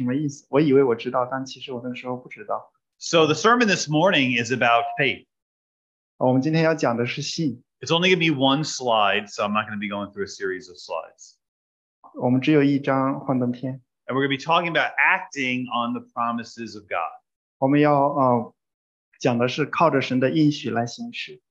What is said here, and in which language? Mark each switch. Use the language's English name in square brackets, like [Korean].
[Chinese] 我小的时候就非常想好奇哈利路亚到底是什么意思。我以为我知道，但其实我那时候不知道。 [English] So the sermon this morning is about faith. [Chinese] 我们今天要讲的是信。 [English] It's only going to be one slide, so I'm not going to be going through a series of slides. [Chinese] 我们只有一张幻灯片。 [English] And we're going to be talking about acting on the promises of God. [Chinese] 我们要讲的是靠着神的应许来行事。